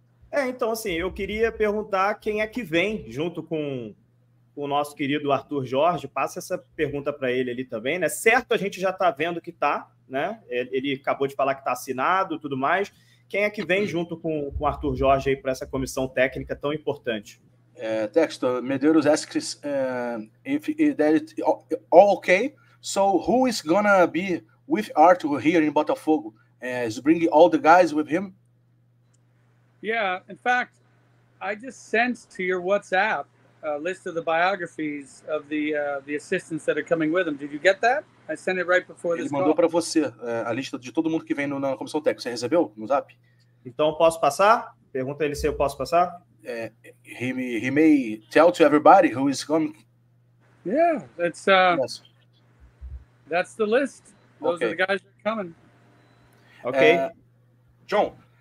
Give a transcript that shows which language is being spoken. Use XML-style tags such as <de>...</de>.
<pt>É, então, assim, eu queria perguntar quem é que vem junto com o nosso querido Arthur Jorge, passa essa pergunta para ele ali também, né? Certo, a gente já está vendo que está, né? Ele acabou de falar que está assinado e tudo mais. Quem é que vem junto com o Arthur Jorge aí para essa comissão técnica tão importante?</pt> <en>Textor, Medeiros asks if that is all okay. So, who is gonna be with Arthur here in Botafogo? Is bringing all the guys with him? Yeah, in fact, I just sent to your WhatsApp a list of the biographies of the assistants that are coming with him. Did you get that? I sent it right before this call.</en> <pt>Ele mandou para você a lista de todo mundo que vem na comissão técnica. Você recebeu no Zap? Então posso passar? Pergunta ele se eu posso passar.</pt> <en>He may tell to everybody who is coming. Yeah, that's yes. That's the list. Those okay. Are the guys that are coming. Okay. John.</en>